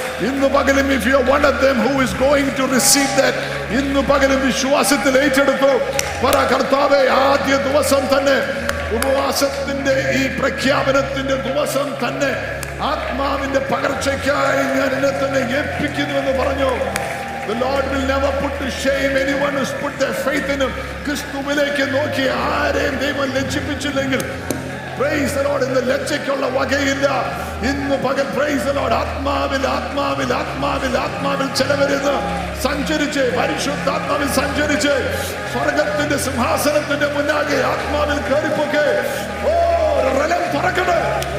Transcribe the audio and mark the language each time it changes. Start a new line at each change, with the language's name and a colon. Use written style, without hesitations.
Malayalam: ഇന്ന് പകലും
English: if you are one of them who is going to receive that,
Malayalam: ഇന്ന് പകലും വിശ്വാസത്തിൽ ഏറ്റെടുക്കൂ. പറ കർത്താവേ, ആദ്യ ദിവസം തന്നെ ഉപവാസത്തിന്റെ ഈ പ്രഖ്യാപനത്തിന്റെ ദിവസം തന്നെ ആത്മാവിന്റെ പകർച്ചയ്ക്കായി ഞാൻ എന്നെ തന്നെ ഏൽപ്പിക്കുന്നു എന്ന് പറഞ്ഞു.
English: The Lord will never put to shame anyone who's put their faith in him.
Malayalam: ക്രിസ്തുവിലേക്ക് നോക്കി ആരെയും ദൈവം ലജ്ജിപ്പിച്ചില്ലെങ്കിൽ
English: praise the Lord,
Malayalam: ഇന്ന് ലജ്ജയ്ക്കുള്ള വകയില്ല. ഇന്ന് പകൽ
English: praise the Lord,
Malayalam: ആത്മാവിൽ ആത്മാവിൽ ആത്മാവിൽ ആത്മാവിൽ ചിലവരുന്ന് സഞ്ചരിച്ച് പരിശുദ്ധാത്മാവിൽ സഞ്ചരിച്ച് സ്വർഗത്തിന്റെ സിംഹാസനത്തിന്റെ മുന്നാകെ ആത്മാവിൽ കയറിപ്പൊക്കെ റലം പറക്കണം.